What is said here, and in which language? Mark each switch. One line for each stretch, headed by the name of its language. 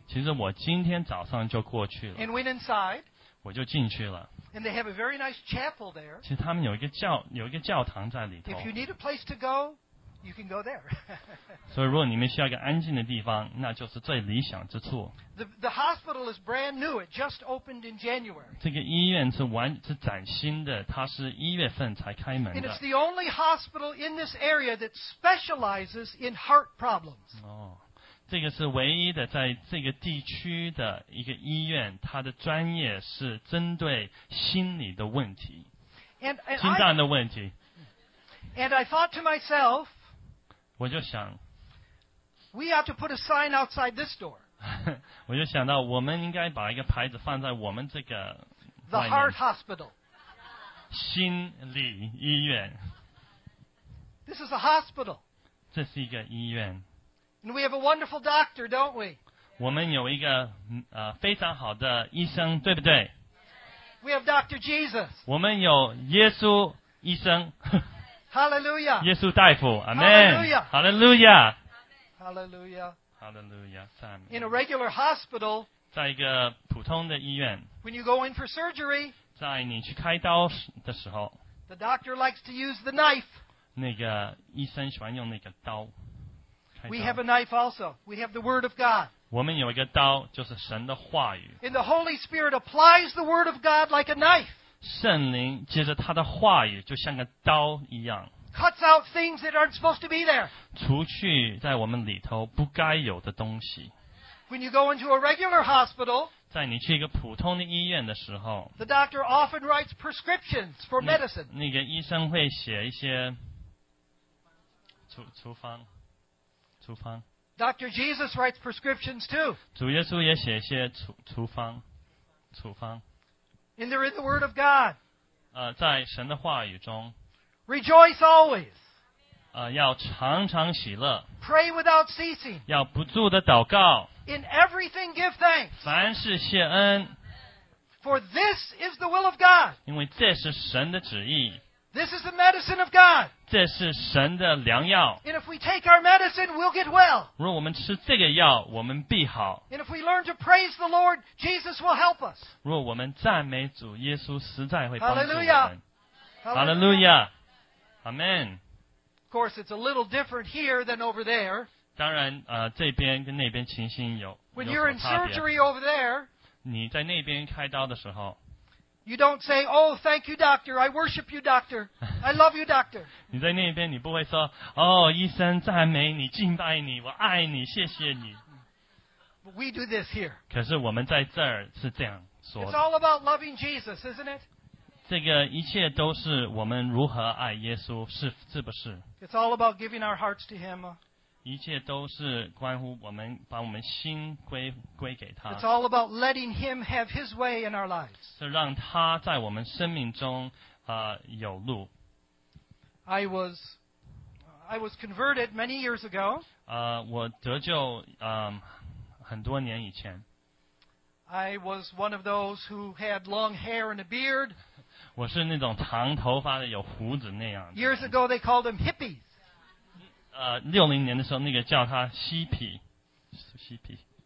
Chinese: 其实我今天早上就过去了。
English: And went inside.
Chinese: 我就进去了。
English: And they have a very nice chapel there.
Chinese: 其实他们有一个教堂在里头。
English: If you need a place to go, you can go there.
Chinese: 所以如果你们需要一个安静的地方, 那就是最理想之处。
English: The hospital is brand new. It just opened in January.
Chinese: 这个医院是崭新的, 它是1月份才开门的。
English: And it's the only hospital in this area that specializes in heart problems.
Chinese: 这个是唯一的在这个地区的一个医院, 它的专业是针对心理的问题,
English: and,
Chinese: 心脏的问题。
English: And I thought to myself,
Chinese: 我就想,
English: we ought to put a sign outside this door.
Chinese: 我就想到我们应该把一个牌子放在我们这个,
English: The Heart Hospital.
Chinese: 心理医院。
English: This is a hospital.
Chinese: 这是一个医院。
English: And we have a wonderful doctor, don't we?
Chinese: 我们有一个, 非常好的医生, 对不对?
English: We have Dr. Jesus.
Chinese: 我们有耶稣医生。
English: Hallelujah.
Chinese: 耶稣大夫, Amen.
English: Hallelujah. Hallelujah. Hallelujah. Hallelujah. In a regular hospital,
Chinese: 在一个普通的医院,
English: when you go in for surgery,
Chinese: 在你去开刀的时候,
English: the doctor likes to use the knife.
Chinese: 那个医生喜欢用那个刀。
English: We have a knife also. We have the Word of God.
Chinese: 我们有一个刀, 就是神的话语。
English: And the Holy Spirit applies the Word of God like a knife.
Chinese: 圣灵接着他的话语, 就像个刀一样。
English: Cuts out things that aren't supposed to be there.
Chinese: 除去在我们里头不该有的东西。
English: When you go into a regular hospital,
Chinese: 在你去一个普通的医院的时候,
English: the doctor often writes prescriptions for medicine.
Chinese: 那个医生会写一些处方。
English: Dr. Jesus writes prescriptions too.
Chinese: 主耶稣也写一些处方。
English: And they're in the Word of God.
Chinese: 在神的话语中。
English: Rejoice always.
Chinese: 要常常喜乐。
English: Pray without ceasing.
Chinese: 要不住的祷告。
English: In everything give thanks.
Chinese: 凡事谢恩。
English: For this is the will of God.
Chinese: 因为这是神的旨意。
English: This is the medicine of God.
Chinese: 这是神的良药。
English: And if we take our medicine, we'll get well.
Chinese: 如果我们吃这个药，我们必好。
English: And if we learn to praise the Lord, Jesus will help us.
Chinese: 如果我们赞美主，耶稣实在会帮助我们。
English: Hallelujah. Hallelujah. Amen. Of course, it's a little different here than over there.
Chinese: 当然，这边跟那边情形有所差别。
English: When you're in surgery over there,
Chinese: 你在那边开刀的时候。
English: You don't say, oh, thank you, doctor. I worship you, doctor. I love you, doctor.
Chinese: 你在那边你不会说、哦、医生赞美你敬拜你我爱你谢谢你。
English: But we do this here.
Chinese: 可是我们在这儿是这样说的。
English: It's all about loving Jesus, isn't it?
Chinese: 这个一切都是我们如何爱耶稣 是不是
English: It's all about giving our hearts to him.
Chinese: 一切都是关乎我们把我们心 归给他。
English: It's all about letting him have his way in our lives.
Chinese: 是让他在我们生命中、有路。
English: I was converted many years ago.
Chinese: 我得救、很多年以前。
English: I was one of those who had long hair and a beard.
Chinese: 我是那种长头发的有胡子那样的。
English: Years ago they called them hippies.
Chinese: 60年的时候那个叫他嬉皮嬉皮